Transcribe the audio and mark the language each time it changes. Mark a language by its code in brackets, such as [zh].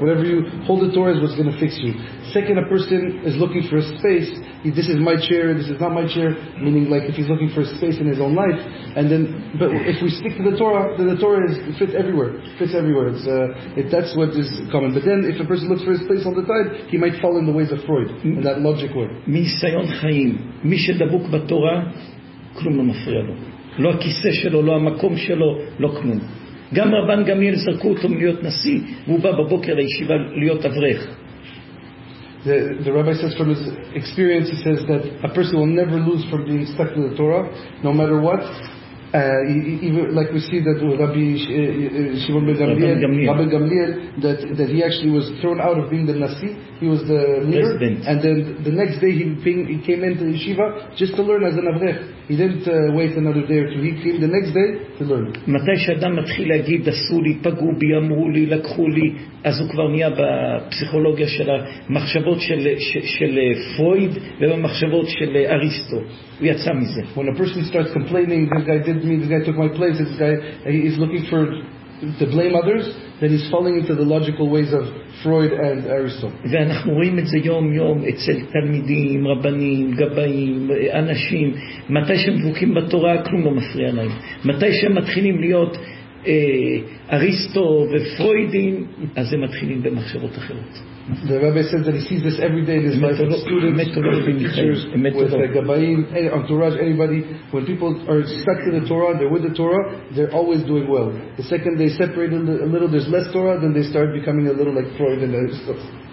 [en] Whatever you hold the Torah is what's going to fix you. Second, a person is looking for a space. This is my chair, this is not my chair, meaning like if he's looking for a space in his own life. And then, but if we stick to the Torah, then the Torah fits everywhere. That's what is common. But then if a person looks for his place all the time, he might fall in the ways of Freud, in that logic way. [he] מיסיון חיים, מי שדבוק בתורה, כלום לא מפריע לו. לא הכיסא שלו, לא המקום שלו, לא כלום. גם רבן גמיאל זרקו אותו מלהיות נשיא, והוא בא בבוקר לישיבה להיות אברך. [en] The rabbi says from his experience, he says that a person will never lose from being stuck to the Torah, no matter what. Even like we see that Rabbi Shimon ben Gamliel, that he actually was thrown out of being the Nasi, he was the leader, president. And then the next day he came into yeshiva just to learn as an avrech. He didn't wait another day or two. He came the next day to learn. [he] מתי שאדם מתחיל להגיד עשו לי, פגעו בי, אמרו לי, לקחו לי, אז הוא כבר נהיה בפסיכולוגיה של המחשבות של פרויד ובמחשבות של אריסטו. הוא יצא מזה. [en] When a person starts complaining, this guy did me, this guy took my place, this guy is looking for to blame others, then he's falling into the logical ways of Freud and Aristotle. [he] ואנחנו רואים את זה יום יום אצל תלמידים, רבנים, גבאים, אנשים. מתי שהם דבוקים בתורה, כלום לא מפריע להם. מתי שהם מתחילים להיות אריסטו ופרוידים, אז הם מתחילים במחשבות אחרות. [en] The rabbi says that he sees this every day in his life with students, teachers, with the gabayim, entourage, anybody. When people are stuck to the Torah, they're with the Torah, they're always doing well. The second they separate a little, there's less Torah, then they start becoming a little like Freud and Aristotle.